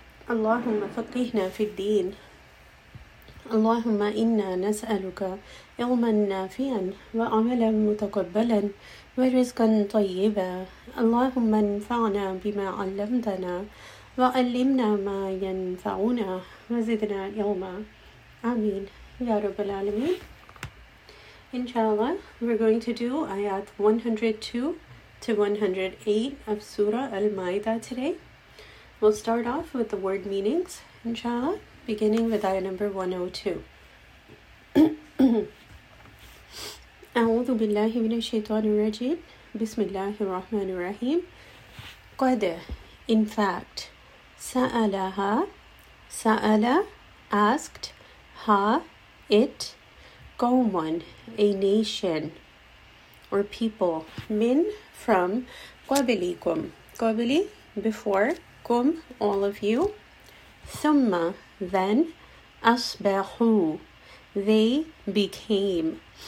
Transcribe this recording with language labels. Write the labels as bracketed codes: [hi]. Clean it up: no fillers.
[ar] اللهم فقهنا في الدين، اللهم إنا نسألك علما نافعا وعملا متقبلا ورزقا طيبا. اللهم انفعنا بما علمتنا وعلمنا ما ينفعنا وزدنا علما. آمين يا رب العالمين. إن شاء الله [en] we're going to do آيات 102 to 108 of سورة المائدة today. We'll start off with the word meanings [ar] إن شاء الله, [en] beginning with ayah number 102. [ar] أعوذ بالله من الشيطان الرجيم. بسم الله الرحمن الرحيم. [en] قد, in fact, سألها, سأل, asked, ها, it, قومون, a nation, or people, من, from, قبليكم, قبلي, before, كم, all of you, ثم, then, أصبحوا, they became.